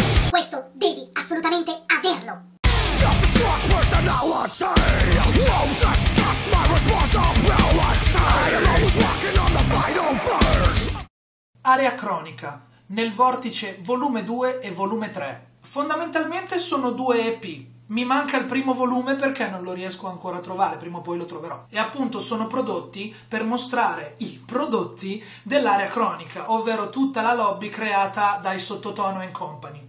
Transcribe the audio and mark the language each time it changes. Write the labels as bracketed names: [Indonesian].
[Italian] Questo devi assolutamente averlo. [English] Self-destruct personality won't discuss my responsibility. I am always walking on the final verge. [Italian] Area cronica. Nel vortice volume 2 e volume 3. Fondamentalmente sono due EP. Mi manca il primo volume perché non lo riesco ancora a trovare, prima o poi lo troverò. E appunto sono prodotti per mostrare i prodotti dell'area cronica, ovvero tutta la lobby creata dai Sottotono & Company.